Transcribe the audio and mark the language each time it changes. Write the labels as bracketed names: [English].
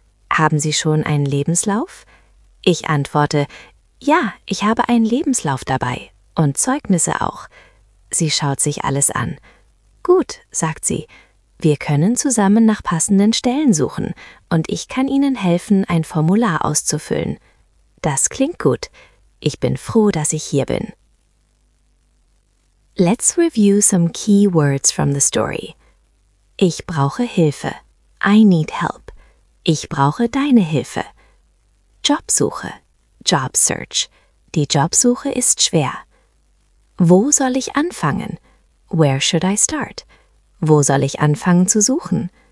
[German] Haben Sie schon einen Lebenslauf? Ich antworte, ja, ich habe einen Lebenslauf dabei und Zeugnisse auch. Sie schaut sich alles an. Gut, sagt sie. Wir können zusammen nach passenden Stellen suchen und ich kann Ihnen helfen, ein Formular auszufüllen. Das klingt gut. Ich bin froh, dass ich hier bin. [English] Let's review some key words from the story. [German] Ich brauche Hilfe. [English] I need help. [German] Ich brauche deine Hilfe. Jobsuche. [English] Job search. [German] Die Jobsuche ist schwer. Wo soll ich anfangen? [English] Where should I start? [German] Wo soll ich anfangen zu suchen?